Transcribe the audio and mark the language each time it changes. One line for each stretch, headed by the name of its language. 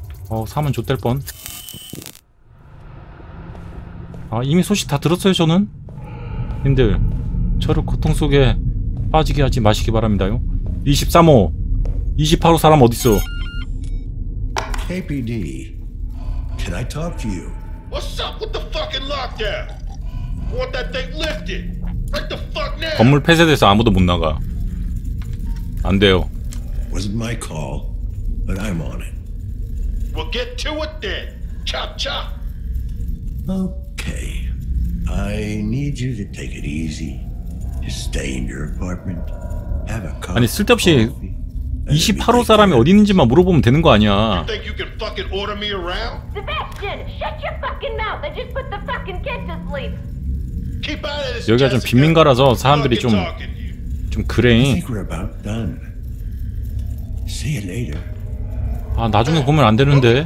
Korean: 어 사면 좋될 뻔 아 이미 소식 다 들었어요 저는? 님들 저를 고통 속에 빠지게 하지 마시기 바랍니다요 23호 28호 사람 어딨어
English: KPD Can I talk to you? What's up with the fucking lockdown? Want that thing lifted? Right the fuck now?
Korean: 건물 폐쇄돼서 아무도 못 나가 안 돼요
English: Wasn't my call But I'm on it We'll get to it then Chop chop Okay, I need you to take it easy. To stay in your apartment. Have a cup.
Korean: 아니 쓸데없이 28호 사람이 어디 있는지만 물어보면 되는 거 아니야?
English: You think you can fucking order me around? Sebastian, shut your fucking mouth and just put the fucking kid to sleep. Keep out of this.
Korean: 여기가 좀 빈민가라서 사람들이 좀 그래.
English: I think we're about done. See you later.
Korean: 아 나중에 보면 안 되는데.